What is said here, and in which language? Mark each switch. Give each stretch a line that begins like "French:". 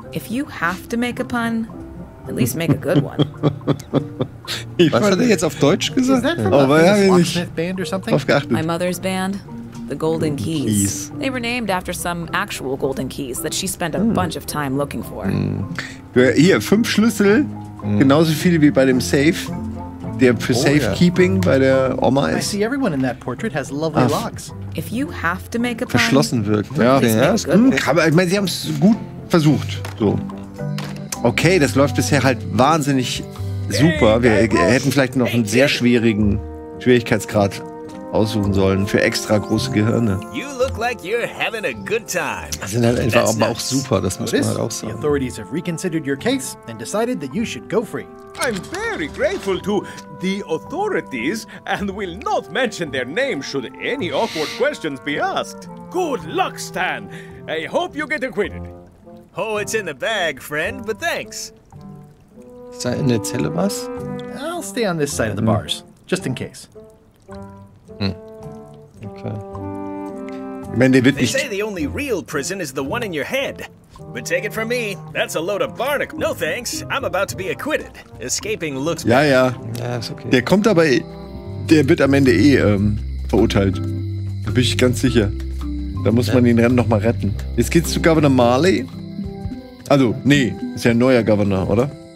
English: If you have to make a pun, at least make a good one.
German: Was hat er jetzt auf Deutsch gesagt?
English: Is that from oh, a locksmith band or something? My mother's band, the Golden Keys. They were named after some actual golden keys that she spent a bunch of time looking for.
German: Hier, fünf Schlüssel, genauso viele wie bei dem Safe. Der für Safekeeping bei der Oma ist.
English: I see everyone in that portrait has lovely locks. If you have to make a
German: verschlossen wirkt. Ja, aber ich meine, sie haben es gut versucht. So. Okay, das läuft bisher halt wahnsinnig super. Wir hätten vielleicht noch einen sehr schwierigen Schwierigkeitsgrad aussuchen sollen für extra große Gehirne.
English: You look like you're having a good time.
German: Das sind halt einfach aber auch super, das muss man halt auch sagen.
English: The authorities have reconsidered your case and decided that you should go free. I'm very grateful to the authorities and will not mention their name should any awkward questions be asked. Good luck, Stan. I hope you get acquitted. Oh, it's in the bag, friend, but thanks. Is that in the
German: Zelle, was?
English: I'll stay on this side of the bars, just in case. Okay. They say the only real prison is the one in your head. But take it from me, that's a load of barnacles. No thanks, I'm about to be acquitted. Escaping looks
German: bad. Ja, ja. Ja, ist okay. Der kommt aber, der wird am Ende verurteilt. Da bin ich ganz sicher. Da muss man ihn noch mal retten. Jetzt geht's zu Governor Marley. Also, nee, ist ja ein neuer Governor, oder?